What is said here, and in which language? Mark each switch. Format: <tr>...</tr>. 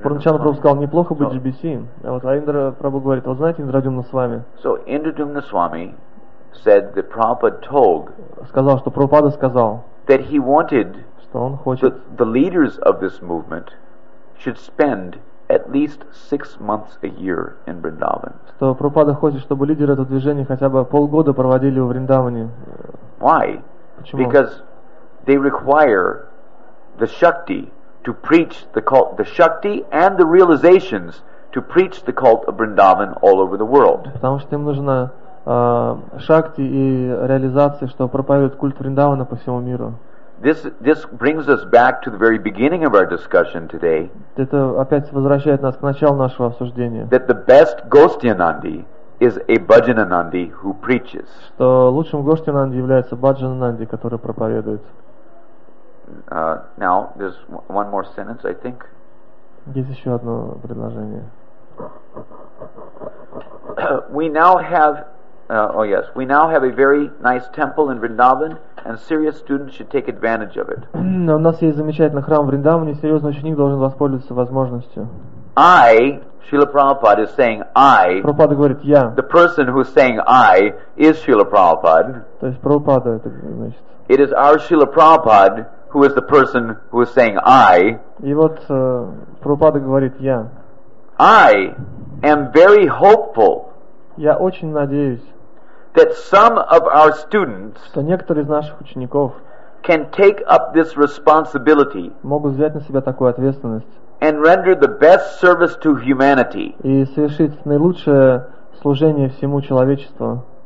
<ru>Пурнчанд Прабху сказал неплохо быть GBC. А вот Индра Прабху говорит, вы знаете Индрадумна Свами.</ru> <en>So Indradumna Swami said the Prabhupada told.</en> <ru>Сказал, что Прабхупада сказал.</ru> <en>That he wanted.</en> <ru>Что он хочет.</ru> <en>The leaders of this movement should spend. At least 6 months a year in Vrindavan.</en> <ru>Что Прабхупада хочет, чтобы лидеры этого движения хотя бы полгода проводили в Вриндаване.</ru> <en>Why?</en> <ru>Почему?</ru> <en>Because they require the shakti to preach the cult, the shakti and the realizations to preach the cult of Vrindavan all over the world.</en> <ru>Потому что им нужна шакти и реализации, что проповедует культ Вриндавана по всему миру.</ru> <en>This brings us back to the very beginning of our discussion today.</en> <ru>Это опять возвращает нас к началу нашего обсуждения.</ru> <en>That the best Гостьянанди is a Бхаджананди who preaches.</en> <ru>Что лучшим Гостьянанди является Бхаджананди, который проповедует.</ru> <en>Now there's one more sentence, I think.</en> <ru>Есть еще одно предложение.</ru> <en>We now have a very nice temple in Vrindavan, and serious students should take advantage of it.</en> <ru>У нас есть замечательный храм в Вриндаване, серьезный ученик должен воспользоваться возможностью.</ru> <en>I, Srila Prabhupada is saying I.</en> <ru>Прабхупада говорит я.</ru> <en>The person who is saying I is Srila Prabhupada.</en> <ru>То есть Прабхупада это значит.</ru> <en>It is our Srila Prabhupada who is the person who is saying I.</en> <ru>И вот Прабхупада говорит я.</ru> <en>I am very hopeful.</en> <ru>Я очень надеюсь.</ru> <en>That some of our students.</en> <ru>Что некоторые из наших учеников.</ru> <en>Can take up this responsibility.</en> <ru>Могут взять на себя такую ответственность.</ru> <en>And render the best service to humanity.</en> <ru>И совершить наилучшее служение всему человечеству.</ru>